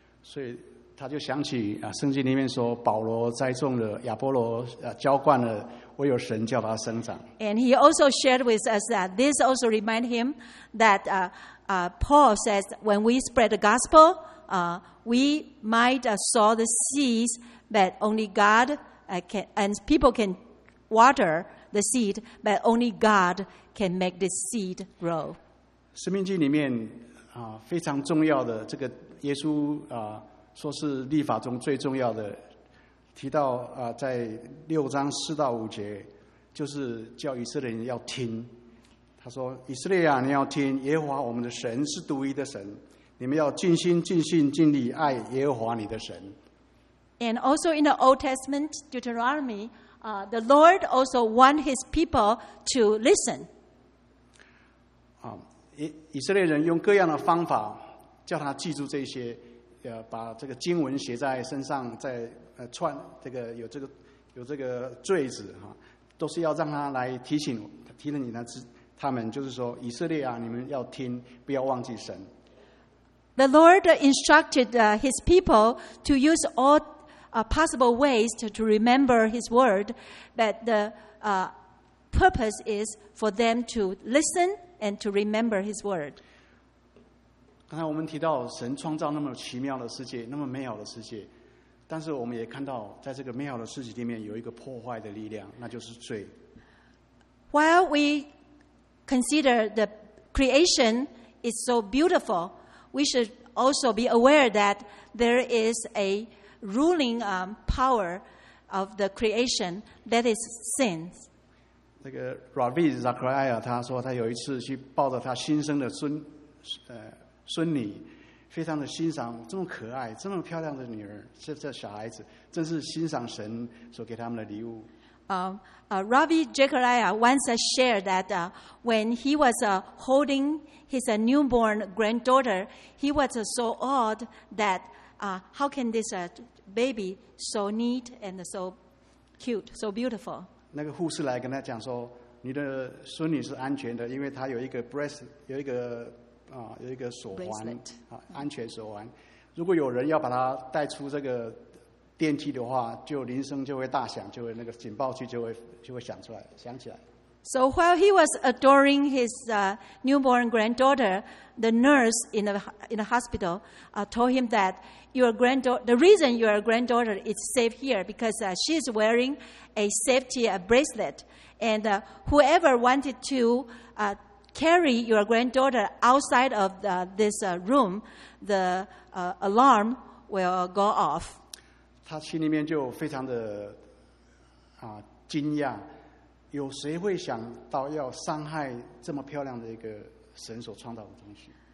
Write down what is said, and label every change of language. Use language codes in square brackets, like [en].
[zh] 所以他就想起圣经里面说保罗栽种了，亚波罗浇灌了，唯有神叫他生长。 [en] And he also shared with us that this also reminded him that Paul says when we spread the gospel,we might sow the seeds, but only God can, and people can water the seed, but only God can make the seed grow. [zh] 生命记里面非常重要的这个耶稣说是律法中最重要的，提到在六章四到五节，就是叫以色列人要听。他说：“以色列啊，你要听，耶和华我们的神是独一的神。” 你们要尽心尽性尽力爱耶和华你的神。 [en] And also in the Old Testament, Deuteronomy, the Lord also want his people to listen. [zh] 以色列人用各样的方法叫他记住这些，把这个经文写在身上，在串这个有这个坠子，都是要让他来提醒你他们，就是说以色列啊，你们要听，不要忘记神。 [en] The Lord instructed his people to use all possible ways to remember his word, but the purpose is for them to listen and to remember his word. [zh] 刚才我们提到神创造那么奇妙的世界，那么美好的世界，但是我们也看到在这个美好的世界里面有一个破坏的力量，那就是罪。 [en] While we consider the creation is so beautiful, we should also be aware that there is a ruling power of the creation that is sin. [zh] 那个 Ravi Zachariah 他说他有一次去抱着他新生的孙孙女，非常的欣赏，这么可爱，这么漂亮的女儿，这小孩子，真是欣赏神所给他们的礼物。 [en] Ravi Zachariah once shared that when he was holding his newborn granddaughter, he was so awed that how can this baby so neat and so cute, so beautiful? [zh] 那个护士来跟他讲说，你的孙女是安全的，因为她有一个 breast， 有一个有一个锁环、安全锁环。如果有人要把她带出这个电梯的话，就铃声就会大响，就会那个警报器就会响出来，响起来。 [en] So while he was adoring his newborn granddaughter, the nurse in the hospital told him that the reason your granddaughter is safe here because she is wearing a safety bracelet, and whoever wanted to carry your granddaughter outside of this room, the alarm will go off. [zh] 他心里面就非常的惊讶。有谁会想到要伤害这么漂亮的一个神所创造的东西